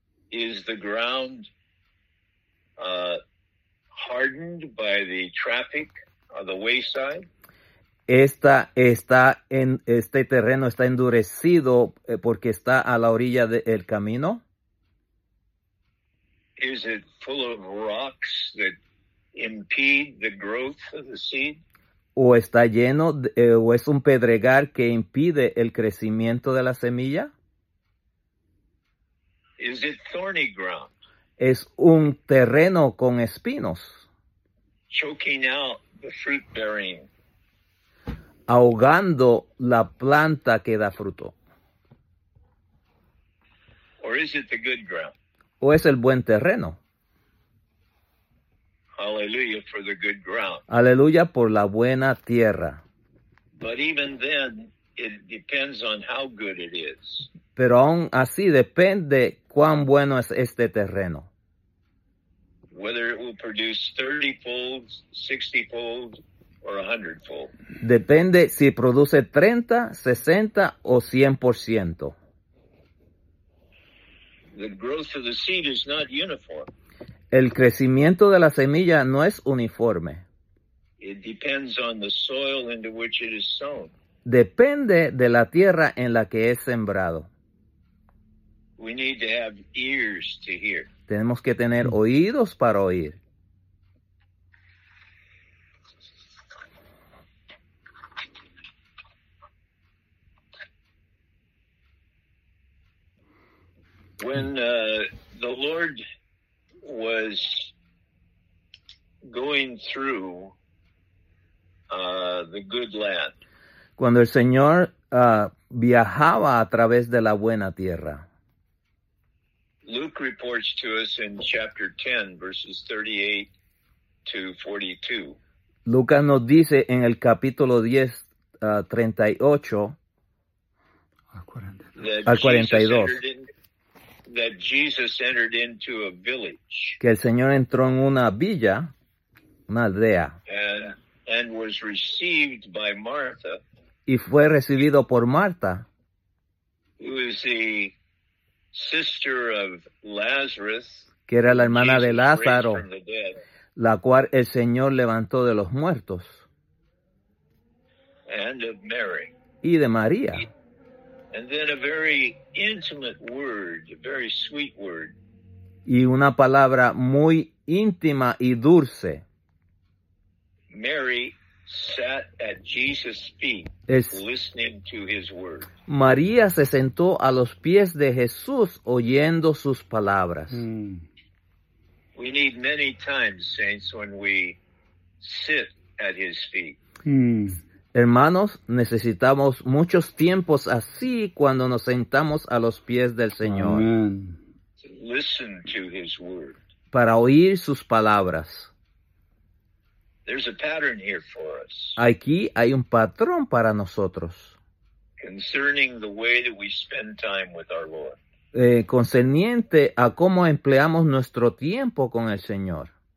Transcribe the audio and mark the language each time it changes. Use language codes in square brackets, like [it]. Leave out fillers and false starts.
[en] Is the ground hardened by the traffic or the wayside? [es] Este terreno está endurecido porque está a la orilla del camino. [en] Is it full of rocks that impede the growth of the seed? [es] ¿O está lleno, o es un pedregal que impide el crecimiento de la semilla? [en] Is it thorny ground? [es] ¿Es un terreno con espinos? [en] Choking out the fruit bearing. [es] ahogando la planta que da fruto. [en] Or is it the good ground? [es] ¿O es el buen terreno? [en] Aleluya, for the good ground. [es] Aleluya por la buena tierra. [en] But even then, it depends on how good it is. [es] Pero aún así depende cuán bueno es este terreno. [en] Whether it will produce 30-fold, 60-fold, or 100-fold. [es] Depende si produce 30, 60 o 100%. [en] The growth of the seed is not uniform. [es] El crecimiento de la semilla no es uniforme. [en] It depends on the soil into which it is sown. [es] Depende de la tierra en la que es sembrado. [en] We need to have ears to hear. [es] Tenemos que tener oídos para oír. [en] When the Lord was going through the good land. [es] Cuando el Señor viajaba a través de la buena tierra. [en] Luke reports to us in chapter 10, verses 38 to 42. [es] Lucas nos dice en el capítulo 10, 38 al 42. [en] That Jesus entered into a village. [es] Que el Señor entró en una villa, una aldea. [en] And was received by Martha. [es] Y fue recibido por Marta. [en] Who is the sister of Lazarus. [es] Que era la hermana de Lázaro. La cual el Señor levantó de los muertos. [en] And of Mary. [es] Y de María. [en] And then a very intimate word, a very sweet word. [es] Y una palabra muy íntima y dulce. [en] Mary sat at Jesus' feet, listening to his word. [es] María se sentó a los pies de Jesús oyendo sus palabras. [en] Mm. We need many times, saints, when we sit at his feet. Mm. [es] Hermanos, necesitamos muchos tiempos así cuando nos sentamos a los pies del Señor. [en] Amen. Listen to his word. [es] Para oír sus palabras. [en] There's a pattern here for us. [es] Aquí hay un patrón para nosotros. [en] Concerning the way that we spend time with our Lord. [es] Concerniente a cómo empleamos nuestro tiempo con el Señor.